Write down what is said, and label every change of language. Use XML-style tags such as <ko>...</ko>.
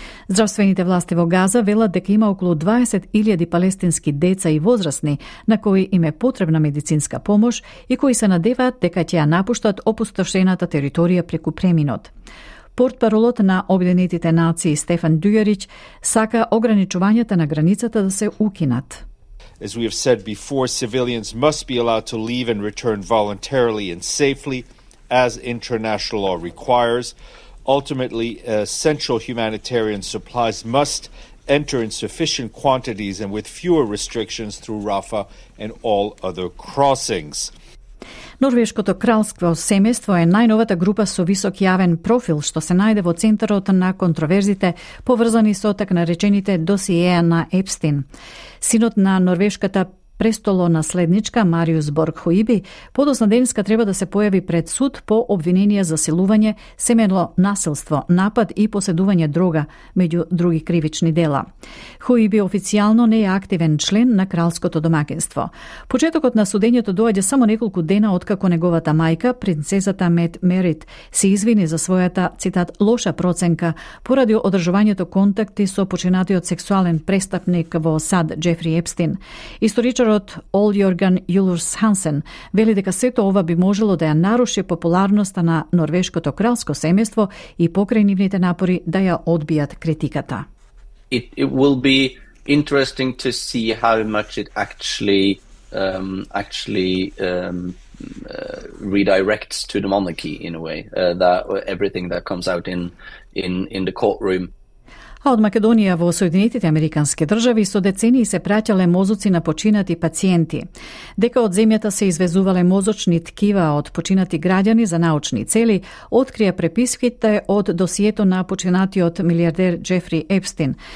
<mk>Здравствените власти во Газа велат дека има околу 20.000 палестински деца и возрасни на кои им е потребна медицинска помош и кои се надеваат дека ќе ја напуштат опустошената територија преку преминот. Портпаролот на Обединетите нации Стефан Дујарич сака ограничувањата на границата да се укинат.</mk> <en>As we have said before, civilians must be allowed to leave and return voluntarily and safely as international law requires. Ultimately, essential humanitarian supplies must enter in sufficient quantities and with fewer restrictions through Rafah and all other crossings.</en> <mk>Норвешкото кралство семејство е најновата група со висок јавен профил што се најде во центарот на контроверзите поврзани со така наречените досиеа на Епстин. Синот на норвешката престолонаследничка Мариус Борг-Хуиби подоцна денеска треба да се појави пред суд по обвинение за силување, семено насилство, напад и поседување дрога, меѓу други кривични дела. Хуиби официјално не е активен член на кралското домакинство. Почетокот на судењето доаѓа само неколку дена откако неговата мајка, принцезата Мет Мерит, се извини за својата, цитат, лоша проценка поради одржувањето контакти со починатиот сексуален престапник во САД Джефри Епстин. Историчарот Ол Јорган Јулурс Хансен вели дека сето ова би можело да ја наруши популярноста на норвешкото кралско семејство и покрај нивните напори да ја одбијат критиката.</mk> <en>It will be interesting to see how much it actually redirects to the monarchy in a way, that everything that comes out in the courtroom.</en> <mk>А од Македонија во Соединетите Американски држави со децении се праќале мозоци на починати пациенти. Дека од земјата се извезувале мозочни ткива од починати граѓани за научни цели, открија преписките од досието на починатиот милиардер Джефри Епстин.</mk>